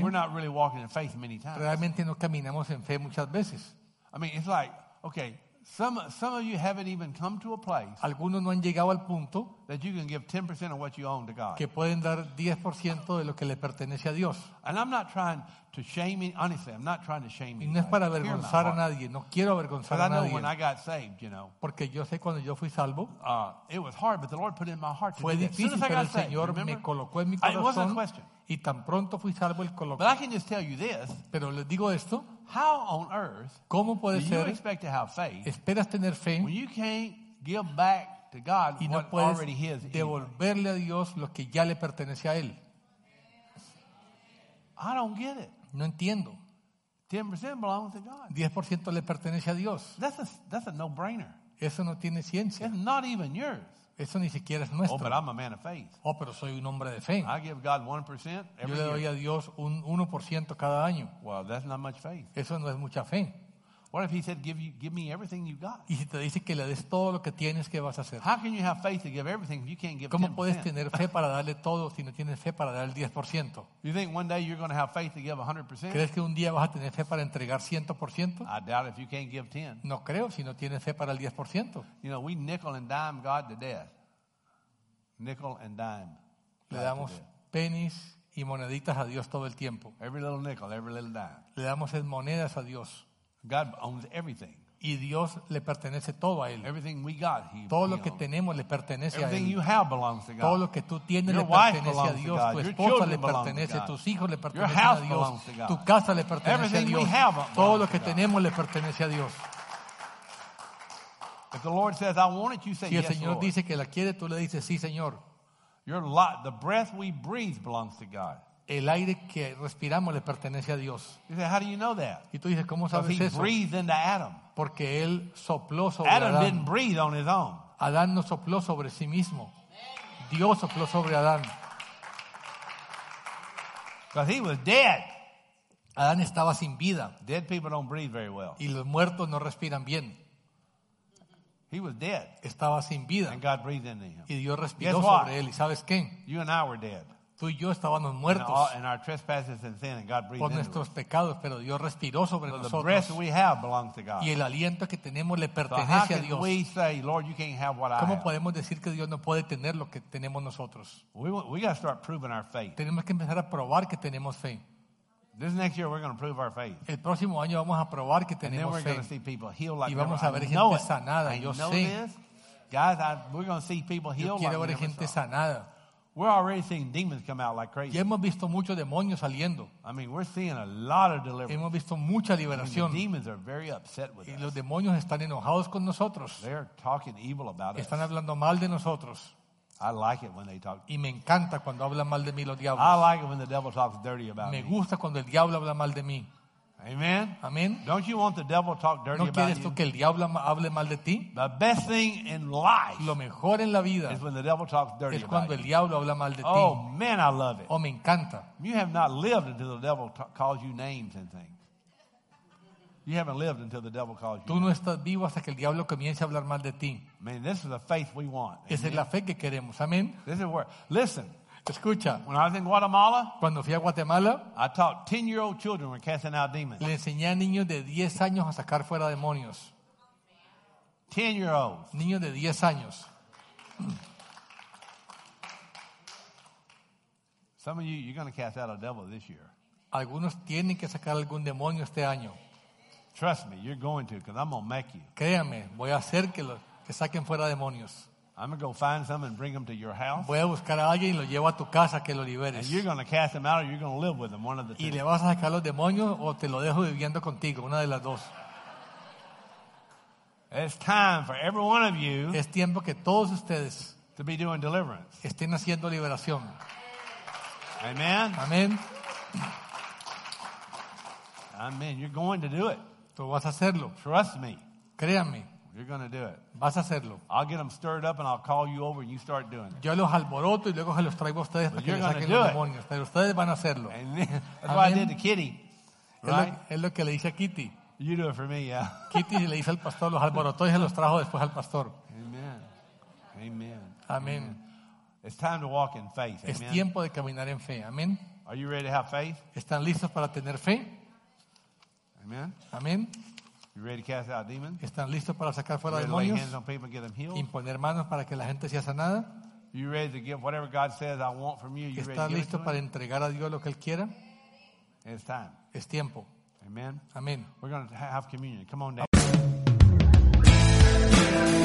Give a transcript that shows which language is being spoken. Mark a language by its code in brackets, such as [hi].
[en] We're not really walking in faith many times. [es] Realmente no caminamos en fe muchas veces. [en] I mean, it's like, okay, some of you haven't even come to a place. [es] Algunos no han llegado al punto [en] that you can give 10% of what you own to God. [es] Que pueden dar 10% de lo que le pertenece a Dios. [en] And I'm not trying to shame you. Honestly, I'm not trying to shame you. [es] Y no es para avergonzar a nadie. No quiero avergonzar a nadie. [en] When I got saved, you know. [es] Porque yo sé cuando yo fui salvo. [en] It was hard, but the Lord put it in my heart to [es] fue difícil, pero el Señor me colocó en mi corazón. [en] It wasn't a question. [es] Y tan pronto fui salvo, él colocó. [en] But I can just tell you this. [es] Pero les digo esto. [en] How on earth [es] ¿cómo puede [en] do [es] ser [en] you expect to have faith [es] esperas tener fe [en] when you can't give back to God [es] y no [en] what [es] puedes [en] already his [es] devolverle [en] anyway. [es] A Dios lo que ya le pertenece a él? [en] I don't get it. [es] No entiendo. [en] 10% belongs to God. [es] 10% le pertenece a Dios. [en] That's a no-brainer. [es] Eso no tiene ciencia. [en] It's not even yours. [es] Eso ni siquiera es nuestro. [en] Oh, but I'm a man of faith. [es] Oh, pero soy un hombre de fe. [en] I give God 1% every year. [es] Yo le doy [en] year. [es] A Dios un 1% cada año. [en] Well, that's not much faith. [es] Eso no es mucha fe. [en] What if he said, give me everything you've got? [es] Y si te dice que le des todo lo que tienes, ¿qué vas a hacer? [en] How can you have faith to give everything if you can't give 10%? [es] ¿Cómo puedes tener fe para darle todo si no tienes fe para dar el 10%? [en] You think one day you're going to have faith to give 100%? [es] ¿Crees que un día vas a tener fe para entregar 100%? [en] I doubt if you can't give 10. [es] No creo si no tienes fe para el 10%. [en] You know, we nickel and dime God to death. Nickel and dime. [es] Le damos pennies y moneditas a Dios todo el tiempo. [en] Every little nickel, every little dime. [es] Le damos en monedas a Dios. [en] God owns everything. [es] Y Dios le pertenece todo a él. [en] Everything we got, he, [es] todo lo que tenemos le pertenece a él. [en] Everything you have belongs to God. [es] Todo lo que tú tienes le pertenece a Dios. Tu esposa le pertenece, tus hijos le pertenecen a Dios. Tu casa le pertenece a Dios. Todo lo que tenemos le pertenece a Dios. [en] If the Lord says, "I want it," you say, "Yes, Lord." [es] Si el Señor dice que la quiere, tú le dices, "Sí, Señor." [en] Your life, the breath we breathe belongs to God. [es] El aire que respiramos le pertenece a Dios. [en] You say, how do you know that? [es] Y tú dices, ¿cómo sabes eso? [en] He breathed into Adam. [es] Porque él sopló sobre [en] Adam. [es] Adán. [en] Didn't breathe on his own. [es] Adán no sopló sobre sí mismo. Dios sopló sobre Adán. [en] Because he was dead. [es] Adán estaba sin vida. [en] Dead people don't breathe very well. [es] Y los muertos no respiran bien. [en] He was dead. [es] Estaba sin vida. [en] And God breathed into him. [es] Y Dios respiró sobre él. ¿Y sabes qué? [en] You and I were dead. [es] Tú y yo estábamos muertos [en] in our trespasses and sin, and God breathed [es] por nuestros [en] into [es] pecados, [en] us. [es] Pero Dios respiró sobre [en] so [es] nosotros. [en] The breath we have belongs to God. [es] Y el aliento que tenemos le pertenece a Dios. [en] So how can we say, Lord, you can't have what I have? [es] ¿Cómo podemos decir que Dios no puede tener lo que tenemos nosotros? [en] We got to start proving our faith. [es] Tenemos que empezar a probar que tenemos fe. [en] This next year we're going to prove our faith. [es] El próximo año vamos a probar que tenemos fe. [en] And then we're going to see people healed like [es] y vamos [en] never. [es] A ver gente sanada. [en] I [es] yo [en] know [es] sé. [en] This. Guys, we're going to see people healed [es] yo quiero [en] like [es] ver gente [en] saw. [es] Sanada. [en] We're already seeing demons come out like crazy. [es] Ya hemos visto muchos demonios saliendo. [en] I mean, we're seeing a lot of deliverance. [es] Hemos visto mucha liberación. [en] I mean, the demons are very upset with [es] y [en] us. [es] Y los demonios están enojados con nosotros. [en] They're talking evil about [es] están [en] us. [es] Están hablando mal de nosotros. [en] I like it when they talk. [es] Y me encanta cuando hablan mal de mí los diablos. [en] I like it when the devil talks dirty about me. [es] Me gusta cuando el diablo habla mal de mí. Amen. Amen. [en] Don't you want the devil talk dirty [es] ¿no [en] about you? [es] Que el diablo hable mal de ti? [en] The best thing in life [es] lo mejor en la vida [en] is when the devil talks dirty [es] es cuando [en] about [es] el diablo [en] you. [es] Habla mal de oh, ti. [en] Oh man, I love it. [es] Oh, me encanta. [en] You have not lived until the devil calls you names and things. You haven't lived until the devil calls you. [es] Tú no estás vivo hasta que el diablo comience a hablar mal de ti. [en] Man, this is the faith we want. [es] Esa es la fe que queremos. Amen. [en] This is where. Listen. [es] Escucha, [en] when I was in Guatemala, [es] cuando fui a Guatemala, [en] I taught 10-year-old children were casting out demons. [es] Le enseñé a niños de 10 años a sacar fuera demonios. [en] 10-year-olds. [es] Niños de 10 años. [en] Some of you, you're going to cast out a devil this year. [es] Algunos tienen que sacar algún demonio este año. [en] Trust me, you're going to, because I'm going to make you. [es] Créame, voy a hacer que saquen fuera demonios. [en] I'm going to go find some and bring them to your house. [es] Voy a buscar a alguien y lo llevo a tu casa que lo liberes. [en] And you're going to cast them out or you're going to live with them, one of the two. [es] Y le vas a sacar los demonios o te lo dejo viviendo contigo, una de las dos. [en] It's time for every one of you [es] es tiempo que todos ustedes [en] to be doing deliverance. [es] Estén haciendo liberación. Amen. Amen. [en] Amen. You're going to do it. [es] Tú vas a hacerlo. [en] Trust me. [es] Créanme. [en] You're going to do it. [es] Vas a hacerlo. [en] I'll get them stirred up and I'll call you over and you start doing it. [es] Yo los alboroto y luego se los traigo a ustedes para que les saquen los demonios. Pero ustedes van a hacerlo. [en] That's what I did to Kitty. Right? [es] Es lo que le dice a Kitty. [en] You do it for me, yeah. [es] Kitty le dice al pastor, los alboroto y se los trajo después al pastor. Amen. Amen. Amen. [en] It's time to walk in faith. [es] Es tiempo de caminar en fe. Amen. [en] Are you ready to have faith? [es] ¿Están listos para tener fe? Amen. Amen. [en] You ready to cast out demons? [es] ¿Están listos para sacar fuera [en] you [es] demonios? [en] Lay hands on people and get them healed? [es] ¿Imponer manos para que la gente sea sanada? [en] You ready to give whatever God says I want from you? You [es] ¿están listos para entregar a Dios lo que él quiera? [en] It's time. [es] Es tiempo. Amen. Amen. [en] We're going to have communion. Come on down.